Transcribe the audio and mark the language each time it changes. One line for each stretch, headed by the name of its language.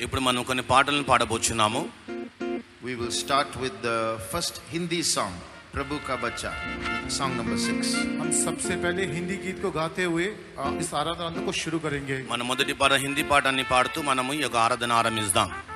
Telugu: ఇప్పుడు మనం కొన్ని పాటలను పాడబోతున్నాము
English: We will start with the first Hindi song, Prabhu Ka Bachcha, song number 6.
Hindi: हम सबसे पहले हिंदी गीत को गाते हुए इस आराधना को शुरू करेंगे
Telugu: మన మొదటి పాట హిందీ పాటని పాడుతూ మనం ఈ ఆరాధన ఆరంభిద్దాం